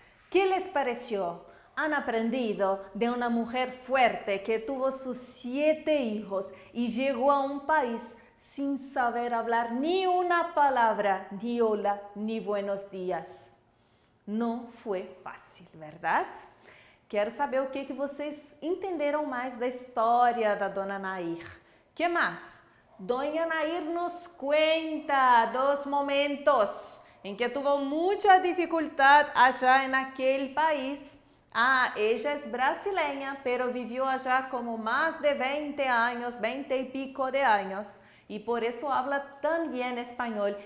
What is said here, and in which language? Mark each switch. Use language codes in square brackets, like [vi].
[es] ¿Qué les pareció? Han aprendido de una mujer fuerte que tuvo sus 7 hijos y llegó a un país sin saber hablar ni una palabra, ni hola, ni buenos días. No fue fácil, ¿verdad? Quiero saber qué [pt] vocês entenderam mais da história da dona Nair. [es] ¿Qué más? Doña Nair nos cuenta 2 momentos en que tuvo mucha dificultad allá en aquel país. Ah, ella es brasileña, pero vivió allá como más de 20 años, 20 y pico de años, y por eso habla tan bien español.